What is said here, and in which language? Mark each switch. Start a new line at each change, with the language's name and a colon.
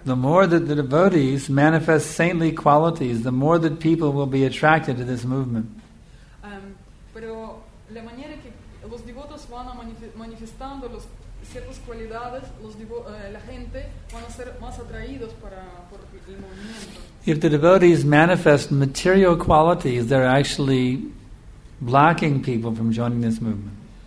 English: The more that the devotees manifest saintly qualities, the more that people will be attracted to this movement.
Spanish: Pero la manera que los devotos van a manifestando los ciertas cualidades, la gente van a ser más atraídos por el movimiento.
English: If the devotees manifest material qualities, they're actually blocking people from joining this movement.